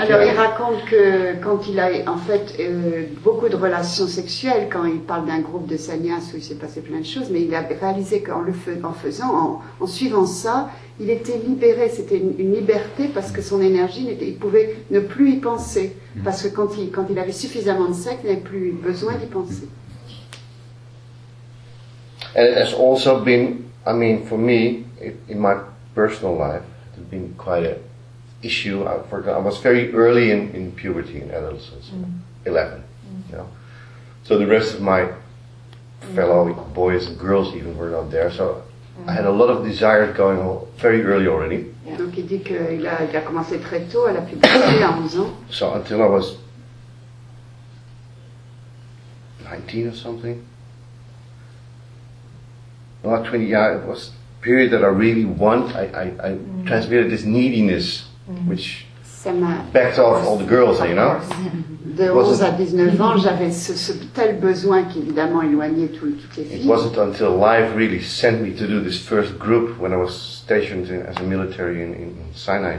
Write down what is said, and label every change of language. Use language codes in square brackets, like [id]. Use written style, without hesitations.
[fr] Alors, il raconte que quand il a en fait beaucoup de relations sexuelles, quand il parle d'un groupe de sannyas où il s'est passé plein de choses, mais il a réalisé qu'en en suivant ça, il était libéré. C'était une liberté parce que son énergie, il pouvait ne plus y penser. Parce que quand il avait suffisamment de sexe, il n'avait plus besoin d'y penser. [en] And it has also been, I mean, for me, in my personal life, it's been quite an issue. I was very early in puberty, in adolescence, 11, you know. So the rest of my fellow boys and girls even were not there. So I had a lot of desires going on very early already. [fr] Donc il dit qu'il a commencé très tôt, à la puberté, à 11 ans. [en] So until I was 19 or something. Well, 20 years, it was a period that I really want. I transmitted this neediness, which backed off all the girls, you know. [fr] De 11 à 19 ans, j'avais ce tel besoin qui évidemment éloignait toutes les filles. [en] It wasn't until life really sent me to do this first group when I was stationed as a military in Sinai.